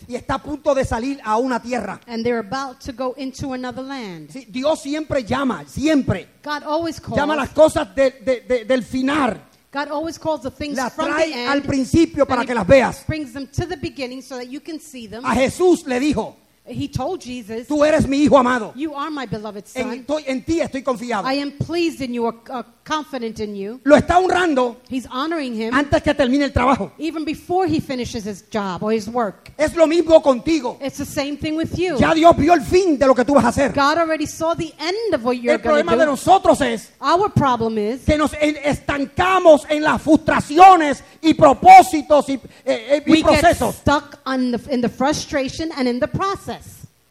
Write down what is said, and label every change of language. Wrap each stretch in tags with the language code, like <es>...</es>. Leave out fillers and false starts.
<es>Y está a punto de salir a una tierra.</es> <en>And they're about to go into another land.</en> <es>Sí, Dios siempre llama, siempre.</es> <en>God always calls.</en> <es>Llama las cosas del final.</es> <en>God always calls the things</en> <es>la</es> <en>from the end.</en> <es>Al principio para que las veas.</es> <en>Brings them to the beginning so that you can see them.</en> <es>A Jesús le dijo.</es> <en>He told Jesus,</en> <es>tú eres mi hijo amado.</es> <en>You are my beloved son.</en> <es>En ti estoy confiado.</es> <en>I am pleased in you, confident in you.</en> <es>Lo está honrando.</es> <en>He's honoring him.</en> <es>Antes que termine el trabajo.</es> <en>Even before he finishes his job or his work.</en> <es>Es lo mismo contigo.</es> <en>It's the same thing with you.</en> <es>Ya Dios vio el fin de lo que tú vas a hacer.</es> <en>God already saw the end of what you're going to do.</en> <es>El problema de nosotros es</es> <en>our problem is</en> <es>que nos estancamos en las frustraciones y propósitos y procesos.</es> <en>We get stuck in the frustration and in the process.</en>